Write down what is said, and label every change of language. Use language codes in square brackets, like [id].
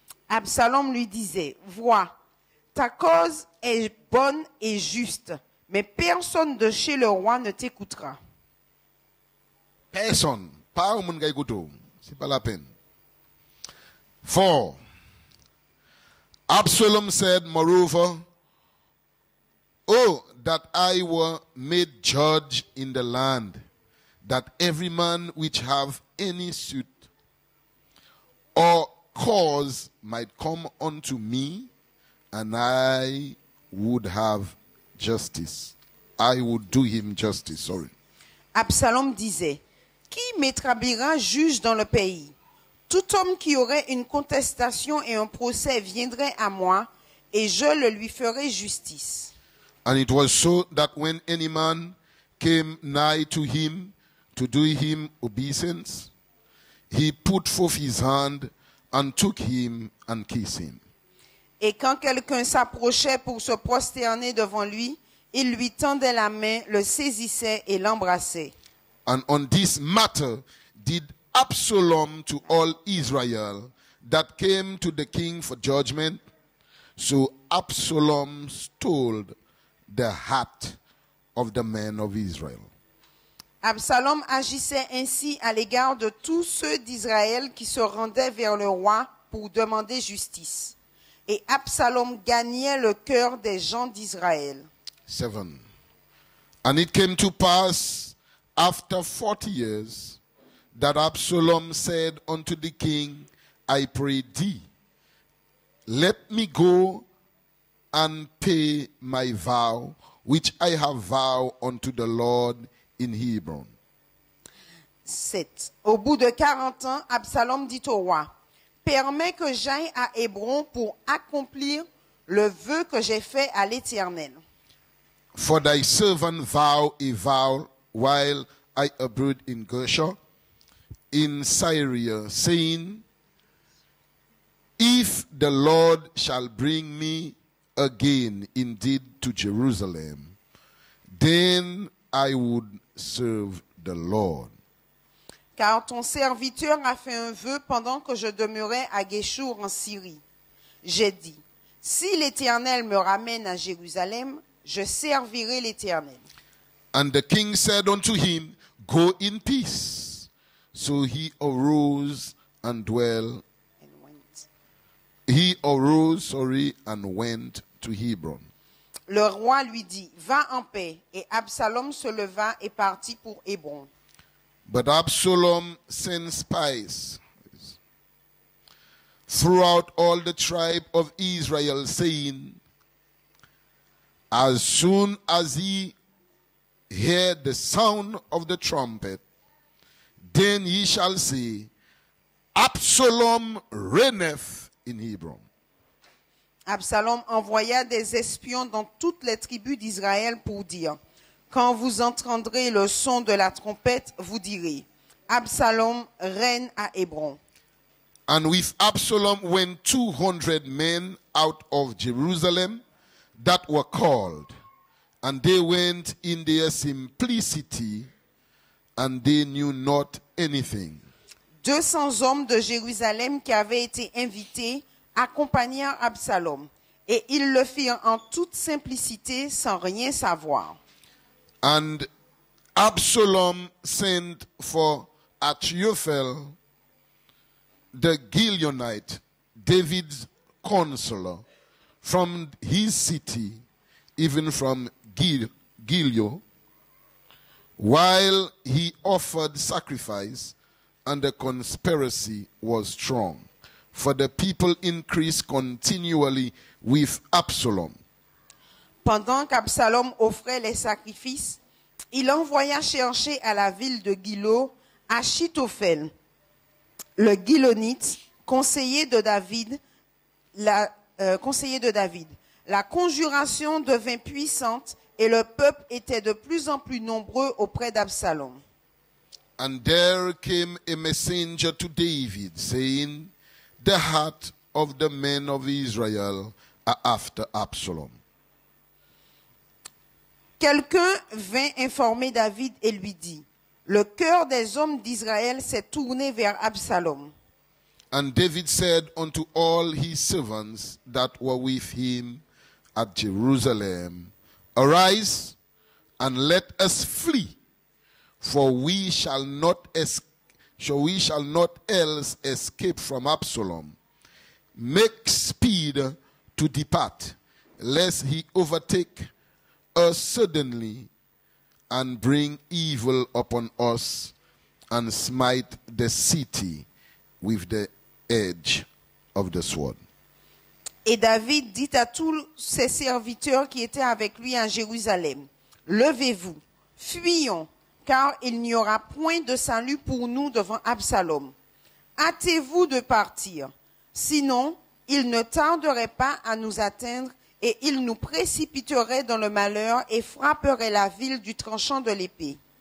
[fr] Absalom lui disait, Vois, ta cause est bonne et juste, mais personne de chez le roi ne t'écoutera. Personne, pas un monde qui écoute, c'est pas la peine. 4. [en] Absalom said, Moreover, Oh, that I were made judge in the land, that every man which have any suit or cause might come unto me, and I would have justice. I would do him justice. Sorry. [fr] Absalom disait, Qui m'établira juge dans le pays? Tout homme qui aurait une contestation et un procès viendrait à moi, et je le lui ferai justice. [en] And it was so that when any man came nigh to him to do him obeisance, he put forth his hand and took him and kissed him. [fr] Et quand quelqu'un s'approchait pour se prosterner devant lui, il lui tendait la main, le saisissait et l'embrassait. [en] And on this matter did Absalom to all Israel that came to the king for judgment. So Absalom stole the heart of the men of Israel. [fr] Absalom agissait ainsi à l'égard de tous ceux d'Israël qui se rendaient vers le roi pour demander justice. Et Absalom gagnait le cœur des gens d'Israël. 7. [en] And it came to pass after 40 years that Absalom said unto the king, I pray thee, let me go and pay my vow, which I have vowed unto the Lord in Hebron. 7. [fr] Au bout de 40 ans, Absalom dit au roi, Permets que j'aille à Hébron pour accomplir le vœu que j'ai fait à l'Éternel. [en] For thy servant vow a vow while I abode in Gershon, in Syria, saying, If the Lord shall bring me again indeed to Jerusalem, then I would serve the Lord. [fr] Car ton serviteur a fait un vœu pendant que je demeurais à Geshur en Syrie. J'ai dit, Si l'Éternel me ramène à Jérusalem, je servirai l'Éternel. [en] And the king said unto him, Go in peace. So he arose and went to Hebron. [fr] Le roi lui dit, Va en paix. Et Absalom se leva et partit pour Hébron. [en] But Absalom sent spies throughout all the tribe of Israel, saying, As soon as he heard the sound of the trumpet, then ye shall see Absalom reigneth in Hebron. [fr] Absalom envoya des espions dans toutes les tribus d'Israël pour dire, Quand vous entendrez le son de la trompette, vous direz, Absalom règne à Hébron. [en] And with Absalom went 200 men out of Jerusalem that were called. And they went in their simplicity, and they knew not anything. [fr] 200 hommes de Jérusalem qui avaient été invités accompagnèrent Absalom. Et ils le firent en toute simplicité, sans rien savoir. [en] And Absalom sent for Achiophel, the Gileonite, David's counselor, from his city, even from Gilo, while he offered sacrifice, and the conspiracy was strong. For the people increased continually with Absalom. [fr] Pendant qu'Absalom offrait les sacrifices, il envoya chercher à la ville de Gilo Achitophel, le Gilonite, conseiller de David. La conjuration devint puissante et le peuple était de plus en plus nombreux auprès d'Absalom. [en] And there came a messenger to David, saying, the heart of the men of Israel are after Absalom. [fr] Quelqu'un vint informer David et lui dit, le cœur des hommes d'Israël s'est tourné vers Absalom. [en] And David said unto all his servants that were with him at Jerusalem, arise and let us flee, for we shall not else escape from Absalom. Make speed to depart, lest he overtake us suddenly and bring evil upon us and smite the city with the edge of the sword. [fr] Et David dit à tous ses serviteurs qui étaient avec lui à Jérusalem, levez-vous, fuyons, car il n'y aura point de salut pour nous devant Absalom. Hâtez-vous de partir, sinon il ne tarderait pas à nous atteindre et il nous précipiterait dans le malheur et frapperait la ville du tranchant de l'épée.